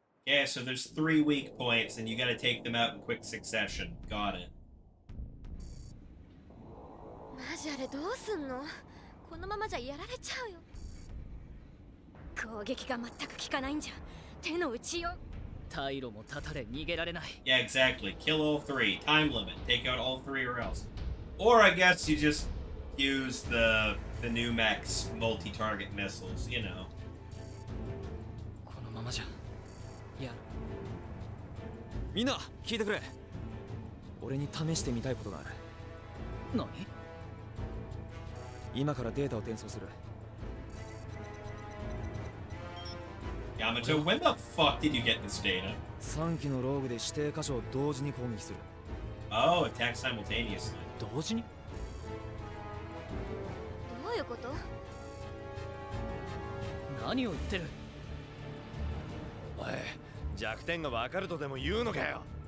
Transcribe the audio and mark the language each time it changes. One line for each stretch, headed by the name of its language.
English: Yeah, so there's three weak points, and you gotta take them out in quick succession. Got it.
Japanese: Majare, どうすんの？このままじゃやられちゃうよ。攻撃が全く効かないんじゃ。手の内よ。退路も断たれ、逃げられない。
English: Yeah, exactly. Kill all three. Time limit. Take out all three or else. Or I guess you just use the new mechs multi-target missiles, you know.
Japanese: このままじゃ。みんな聞いてくれ。俺に試してみたいことがある。何？今からデータを転送する。
English: ヤマト、when the fuck did you get this data?
Japanese: 三機のローグで指定箇所を同時に攻撃する。
English: Oh, attack simultaneously.
Japanese: 同時に？どういうこと？何を言ってる？おい。弱点が分かるとでも言うのかよ。